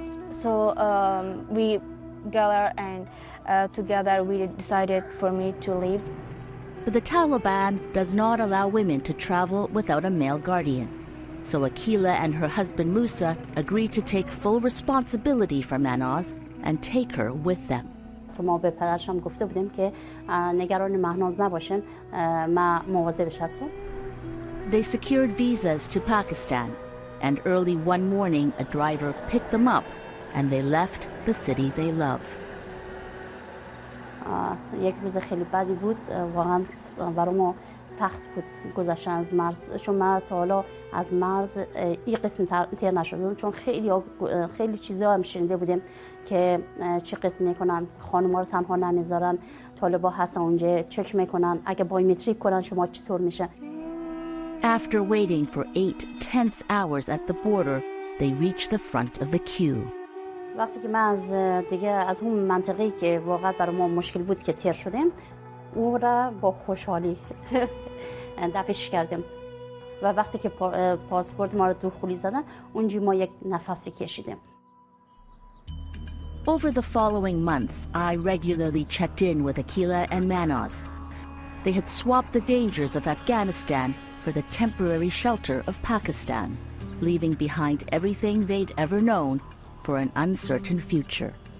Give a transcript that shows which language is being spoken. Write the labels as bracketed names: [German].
[English] So we gathered and together we decided for me to leave. But the Taliban does not allow women to travel without a male guardian. So Akilah and her husband Musa agreed to take full responsibility for Manoz and take her with them. [Persian] رو ما به پدرشم گفته بودیم که نگران مهناز نباشن، ما مواظبش هستم. [English] They secured visas to Pakistan, and early one morning a driver picked them up and they left the city they love. [Persian] یک روز خیلی بدی بود، واقعا برای ما سخت بود گذشتن از مرز، چون من تا حالا از مرز این قسم تیر نشدم، چون خیلی چیزها هم شنیده بودیم که چه قسم میکنن، خانوما رو تنها نمیذارن، طالبا هستن اونجا چک میکنن اگه بایومتریک کنن شما چطور میشه. [English] After waiting for 8 tense hours at the border, they reached the front of the queue. [Persian] وقتی که من از دیگه از اون منطقه‌ای که واقعا برای ما مشکل بود که تیر شدیم، او را با خوشحالی دفعش کردیم. و وقتی که پاسپورت ما رو دو خولی زدن، اونجا ما یک نفسی کشیدیم. [English] Over the following months, I regularly checked in with Akila and Manoz. They had swapped the dangers of Afghanistan for the temporary shelter of Pakistan, leaving behind everything they'd ever known for an uncertain future.